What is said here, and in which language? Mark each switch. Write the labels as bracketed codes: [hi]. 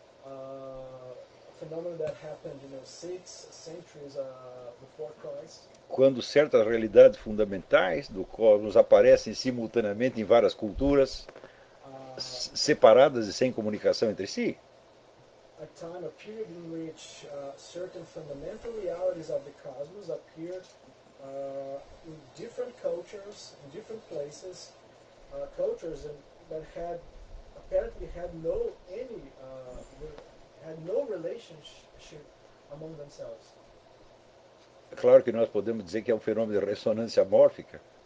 [en] A phenomenon that happened, you know, 6 centuries before Christ. [pt] Quando certas realidades fundamentais do cosmos aparecem simultaneamente em várias culturas, separadas e sem comunicação entre si. [en] A time, a period in which certain fundamental realities of the cosmos appear in different cultures, in different places, cultures that had no relationship among themselves. [pt] Claro que nós podemos dizer que é um fenômeno de ressonância mórfica.